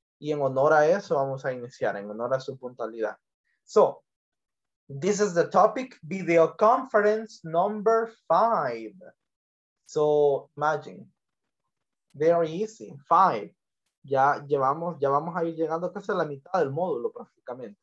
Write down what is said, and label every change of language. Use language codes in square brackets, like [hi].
[es] Y en honor a eso, vamos a iniciar. En honor a su puntualidad. [en] So, this is the topic, video conference number 5. So, imagine. Very easy. 5. [es] Ya vamos a ir llegando casi a la mitad del módulo, prácticamente.